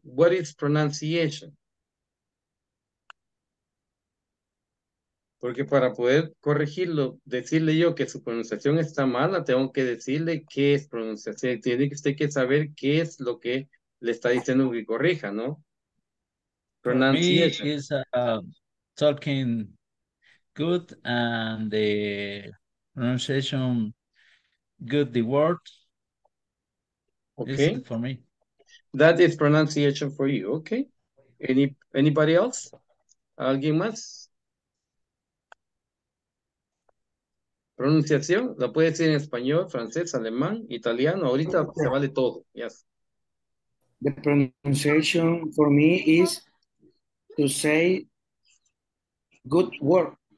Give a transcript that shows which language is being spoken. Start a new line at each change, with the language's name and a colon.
English: What is pronunciation?
Spanish: Porque para poder corregirlo, decirle yo que su pronunciación está mala, tengo que decirle qué es pronunciación. Tiene que usted que saber qué es lo que le está diciendo que corrija, ¿no?
English: Pronunciation. Is talking good and the pronunciation good the words. Okay. Is it for me? That is pronunciation for you, okay? Anybody else? ¿Alguien más?
Spanish: Pronunciación, lo puede decir en español, francés, alemán, italiano, ahorita okay. Se vale todo, yes.
English: The pronunciation for me is to say good word.